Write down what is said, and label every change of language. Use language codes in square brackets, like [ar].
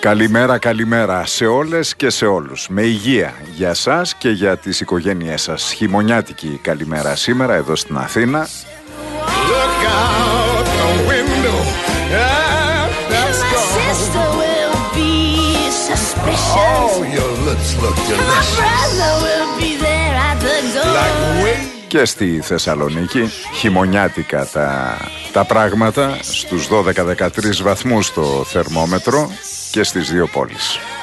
[el] Καλημέρα, καλημέρα σε όλες και σε όλους. Με υγεία για σας και για τις οικογένειές σας. Χειμωνιάτικη καλημέρα σήμερα εδώ στην Αθήνα. [en] Look out the window. And that's my sister will be suspicious. Oh, your lips look delicious. My brother will be there at the door. Like wind. [el] Και στη Θεσσαλονίκη χειμωνιάτικα τα πράγματα, στους 12-13 βαθμούς το θερμόμετρο και στις δύο πόλεις.